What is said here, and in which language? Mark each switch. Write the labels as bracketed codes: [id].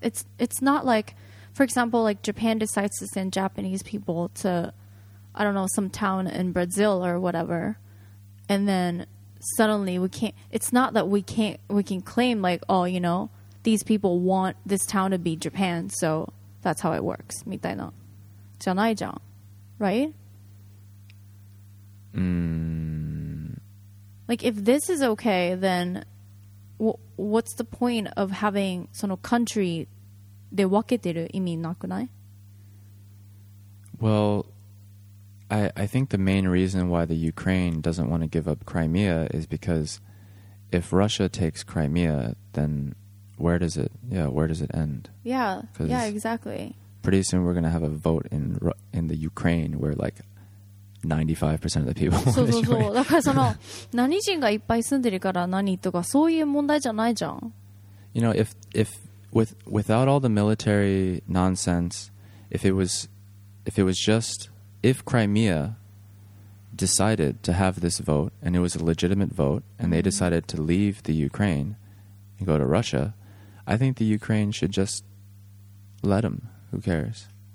[en] It's not like, for example, like Japan decides to send Japanese people to, I don't know, some town in Brazil or whatever, and then suddenly we can't. It's not that we can claim like, oh, you know, these people want this town to be Japan, so that's how it works. [ja] みたいな、じゃないじゃん。 [en] Right? Like, if this is okay, then what's the point of having [ja] その country で分けてる意味なくない? [en] Well, I think the main reason why the Ukraine doesn't want to give up Crimea is because if Russia takes Crimea, then where does it end? Yeah, exactly. Pretty soon we're going to have a vote in the Ukraine where like 95% of the people want to join. [ja] そうそうそう。だからその何人がいっぱい住んでるから何とかそういう問題じゃないじゃん。 [en] You know, if without all the military nonsense, if Crimea decided to have this vote and it was a legitimate vote and they decided to leave the Ukraine and go to Russia, I think the Ukraine should just let them. Who cares?